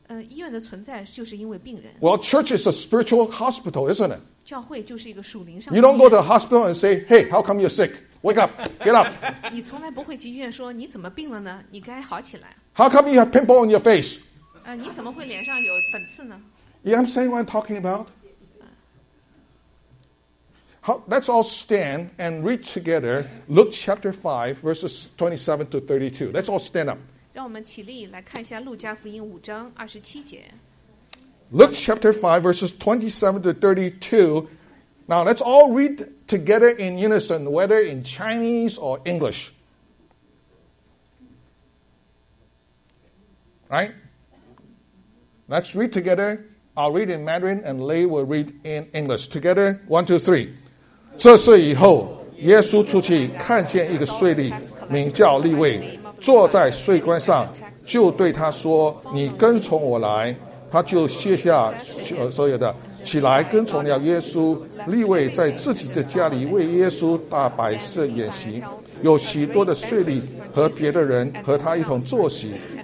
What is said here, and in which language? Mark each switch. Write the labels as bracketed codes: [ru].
[zh] 医院的存在就是因为病人。 [en] Well, church is a spiritual hospital, isn't it? [zh] 教会就是一个属灵上的医院。 [en] You don't go to the hospital and say, hey, how come you're sick? Wake up, get up. [zh] 你从来不会去医院说你怎么病了呢? 你该好起来。 [en] How come you have pimple on your face? [zh] 你怎么会脸上有粉刺呢? [en] You understand what I'm talking about? How, let's all stand and read together Luke chapter 5, verses 27 to 32. Let's all stand up. [zh] 让我们起立来看一下路加福音5章27节。 [en] Luke chapter 5, verses 27 to 32. Now let's all read together in unison, whether in Chinese or English. Right? Let's read together. I'll read in Mandarin and Lei will read in English. Together, one, two, three. [zh] 这岁以后，耶稣出去看见一个税吏，名叫利未，坐在税关上，就对他说：“你跟从我来。”他就卸下所有的，起来跟从了耶稣。利未在自己的家里为耶稣大摆设宴席，有许多的税吏和别的人和他一同坐席。